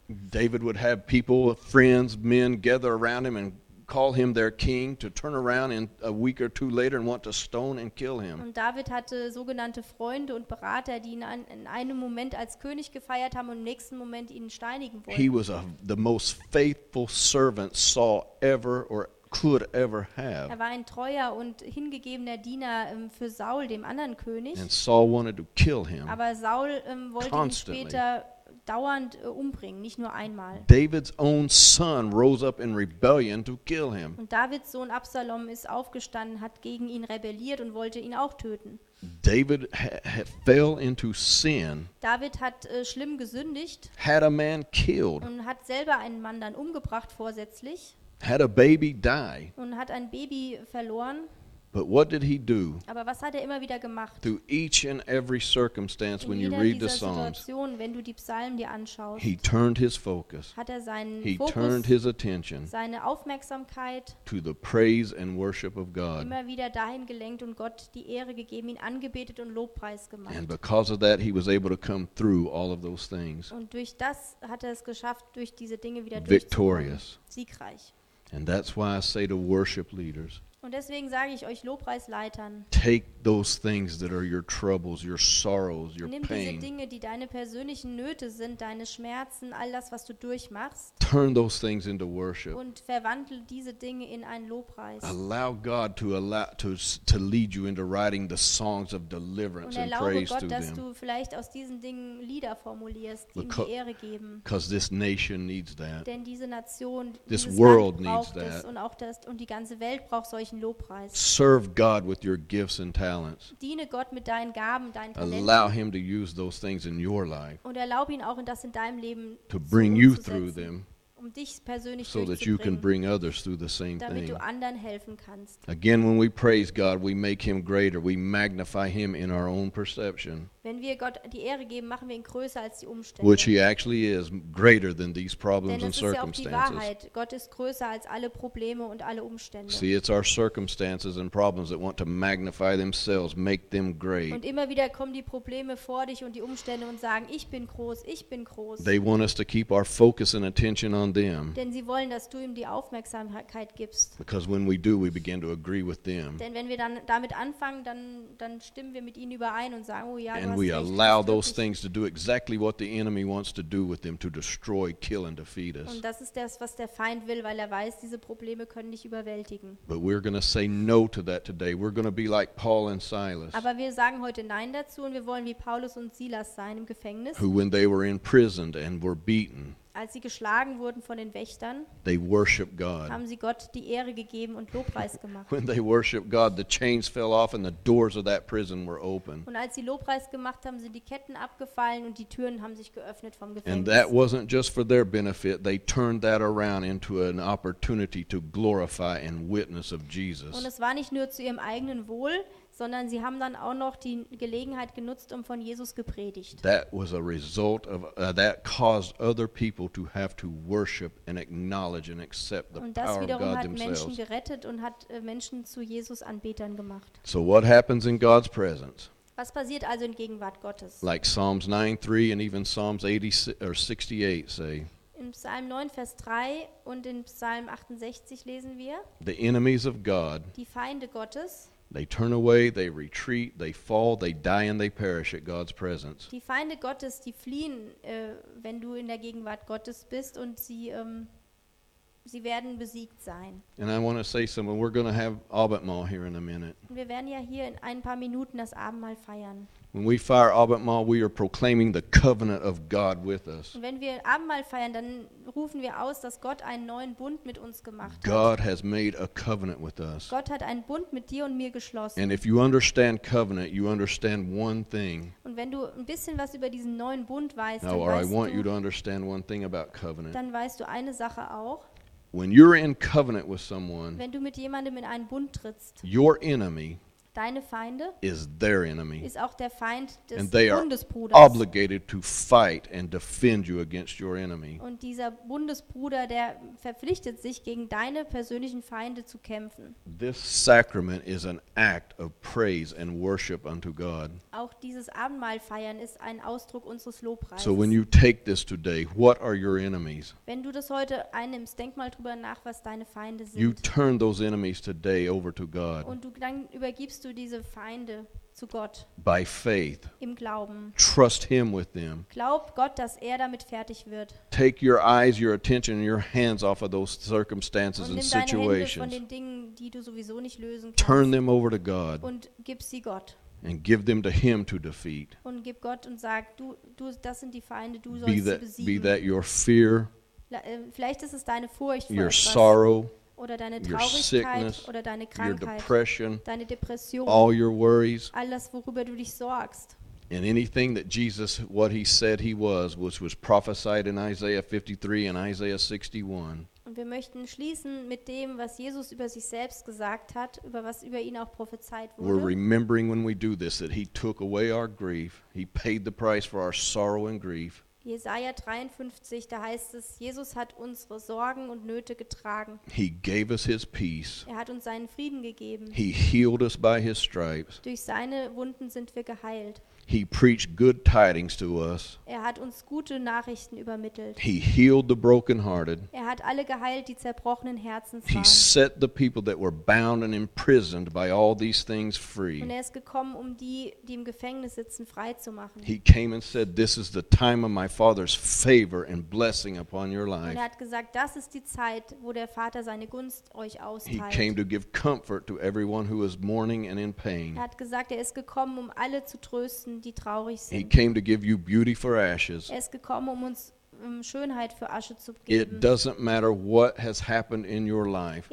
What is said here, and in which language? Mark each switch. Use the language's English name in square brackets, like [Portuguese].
[English] David would have people, friends, men gather around him and call him their king to turn around in a week or two later and want to stone and kill him. [German] Und David hatte sogenannte Freunde und Berater, die ihn in einem Moment als König gefeiert haben und im nächsten Moment ihn steinigen wollten. [English] He was the most faithful servant Saul ever or could ever have. [German] Er war ein treuer und hingegebener Diener für Saul, dem anderen König. [English] And Saul wanted to kill him. [German] Aber Saul wollte ihn später dauernd umbringen, nicht nur einmal. [English] David's own son rose up in rebellion to kill him. [German] Und Davids Sohn Absalom ist aufgestanden, hat gegen ihn rebelliert und wollte ihn auch töten. [English] David fell into sin. [German] David hat schlimm gesündigt. [English] Had a man killed. [German] Und hat selber einen Mann dann umgebracht vorsätzlich. [English] Had a baby die. [German] Und hat ein Baby verloren. [English] But what did he do? [German] Aber was hat er immer wieder gemacht? [English] Through each and every circumstance, [German] in [English] when you read the Psalms, [German] wenn du die Psalmen dir anschaust, [English] he turned his focus. [German] Hat er seinen [English] he [German] Fokus, [English] turned his attention. [German] Seine Aufmerksamkeit [English] to the praise and worship of God. [German] Immer wieder dahin gelenkt und Gott die Ehre gegeben, ihn angebetet und Lobpreis gemacht. [English] And because of that, he was able to come through all of those things. [German] Und durch das hat er es geschafft, durch diese Dinge wieder [English] victorious. [German] Siegreich. [English] And that's why I say to worship leaders. [German] Und deswegen sage ich euch Lobpreisleitern. [English] Take those things that are your troubles, your sorrows, your pain. [German] Nimm diese Dinge, die deine persönlichen Nöte sind, deine Schmerzen, all das, was du durchmachst. [English] Turn those things into worship. [German] Und verwandle diese Dinge in einen Lobpreis. [English] Allow God to lead you into writing the songs of deliverance and praise to them. [German] Und erlaube Gott, dass du vielleicht aus diesen Dingen Lieder formulierst, die ihm die Ehre geben. [English] Because this nation needs that. [German] Denn diese Nation, [English] this world needs that. [German] Und auch das und die ganze Welt braucht solche. [English] Serve God with your gifts and talents. [German] Diene Gott mit deinen Gaben, deinen Talenten. [English] Allow him to use those things in your life. [German] Und erlaube ihn auch, das in deinem Leben [English] to bring you through them. [German] Um dich persönlich [English] so that you can bring others through the same thing. [German] Damit du anderen helfen kannst. [English] Again, when we praise God, we make him greater. We magnify him in our own perception. [German] Wenn wir Gott die Ehre geben, machen wir ihn größer als die Umstände. [English] Which he actually is, greater than these problems and circumstances. [German] Denn das ist ja auch die Wahrheit. Gott ist größer als alle Probleme und alle Umstände. [English] See, it's our circumstances and problems that want to magnify themselves, make them great. [German] Und immer wieder kommen die Probleme vor dich und die Umstände und sagen, ich bin groß, ich bin groß. [English] They want us to keep our focus and attention on them. [German] Denn sie wollen, dass du ihm die Aufmerksamkeit gibst. [English] Because when we do, we begin to agree with them. [German] Denn wenn wir dann damit anfangen, dann stimmen wir mit ihnen überein und sagen, oh ja, [English] and we allow those things to do exactly what the enemy wants to do with them, to destroy, kill and defeat us. [German] Und das ist das, was der Feind will, weil er weiß, diese Probleme können dich überwältigen. [English] But we're going to say no to that today. We're going to be like Paul and Silas. [German] Aber wir sagen heute nein dazu und wir wollen wie Paulus und Silas sein im Gefängnis. [English] Who when they were imprisoned and were beaten. [German] Als sie geschlagen wurden von den Wächtern, [English] they worship God. [German] Haben sie Gott die Ehre gegeben und Lobpreis gemacht. [English] When they worship God, the chains fell off and the doors of that prison were open. [German] Und als sie Lobpreis gemacht haben, sind die Ketten abgefallen und die Türen haben sich geöffnet vom Gefängnis. [English] And that wasn't just for their benefit. They turned that around into an opportunity to glorify and witness of Jesus. [German] Und es war nicht nur zu ihrem eigenen Wohl, sondern sie haben dann auch noch die Gelegenheit genutzt, um von Jesus gepredigt. [English] That was a result of that caused other people to have to worship and acknowledge and accept the power of God themselves. [German] Und das wiederum hat Menschen gerettet und hat Menschen zu Jesus Anbetern gemacht. [English] So what happens in God's presence? [German] Was passiert also in Gegenwart Gottes? [English] Like Psalms 9:3 and even Psalms 68 say. [German] In Psalm 9, Vers 3 und in Psalm 68 lesen wir. [English] The enemies of God. [German] Die Feinde Gottes. [English] They turn away, they retreat, they fall, they die and they perish at God's presence. [German] Die Feinde Gottes, die fliehen, wenn du in der Gegenwart Gottes bist und sie werden besiegt sein. [English] And I want to say something, we're going to have Abendmahl here in a minute. [German] Und wir werden ja hier in ein paar Minuten das Abendmahl feiern. [English] When we fire Abendmahl, we are proclaiming the covenant of God with us. [German] Und wenn wir Abendmahl feiern, dann rufen wir aus, dass Gott einen neuen Bund mit uns gemacht hat. [English] God has made a covenant with us. [German] Gott hat einen Bund mit dir und mir geschlossen. [English] And if you understand covenant, you understand one thing. [German] Und wenn du ein bisschen was über diesen neuen Bund weißt, [English] now, [German] dann [English] I want [German] du, [English] you to understand one thing about covenant. [German] Dann weißt du eine Sache auch. [English] When you're in covenant with someone, [German] wenn du mit jemandem in einen Bund trittst, [English] your enemy, [German] deine Feinde, [English] is their enemy, [German] ist auch der Feind des Bundesbruders. [English] And they are [German] Bundesbruders. [English] Obligated to fight and defend you against your enemy. [German] Und dieser Bundesbruder, der verpflichtet sich, gegen deine persönlichen Feinde zu kämpfen. [English] This sacrament is an act of praise and worship unto God. [German] Auch dieses Abendmahl feiern ist ein Ausdruck unseres Lobpreises. [English] So when you take this today, what are your enemies? [German] Wenn du das heute einnimmst, denk mal drüber nach, was deine Feinde sind. [English] You turn those enemies today over to God. [German] Und du dann übergibst du diese Feinde zu Gott. [English] By faith. [German] Im Glauben. [English] Trust him with them. [German] Glaub Gott, dass er damit fertig wird. [English] Take your eyes, your attention, and your hands off of those circumstances [German] und [English] and situations. [German] Hände von den Dingen, die du sowieso nicht lösen kannst. [English] Turn them over to God. [German] Und gib sie Gott. [English] and give them to him to defeat. [German] Und gib Gott und sag, du das sind die Feinde, du sollst sie besiegen. [English] Be that your fear. [German] Vielleicht ist es deine Furcht vor [English] your [German] etwas. [English] Sorrow. [German] Oder deine Traurigkeit oder deine Krankheit, [English] your depression, [German] deine Depression, [English] all your worries, [German] alles, worüber du dich sorgst. [English] And anything that Jesus, what he said he was, which was prophesied in Isaiah 53 and Isaiah 61. [German] Und wir möchten schließen mit dem, was Jesus über sich selbst gesagt hat, über was über ihn auch prophezeit wurde. [English] We're remembering when we do this that he took away our grief, he paid the price for our sorrow and grief. [German] Jesaja 53, da heißt es, Jesus hat unsere Sorgen und Nöte getragen. [English] He gave us his peace. [German] Er hat uns seinen Frieden gegeben. [English] He healed us by his stripes. [German] Durch seine Wunden sind wir geheilt. [English] He preached good tidings to us. [German] Er hat uns gute Nachrichten übermittelt. [English] He healed the brokenhearted. [German] Er hat alle geheilt, die zerbrochenen Herzen waren. [English] He set the people that were bound and imprisoned by all these things free. [German] Und er ist gekommen, um die im Gefängnis sitzen, frei zu machen. [English] He came and said, "This is the time of my Father's favor and blessing upon your life." [German] Und er hat gesagt, das ist die Zeit, wo der Vater seine Gunst euch austeilt. [English] He came to give comfort to everyone who is mourning and in pain. [German] Er hat gesagt, er ist gekommen, um alle zu trösten. Die traurig sind. [English] He came to give you beauty for ashes. [German] Er ist gekommen, um uns Schönheit für Asche zu geben. [English] It doesn't matter what has happened in your life.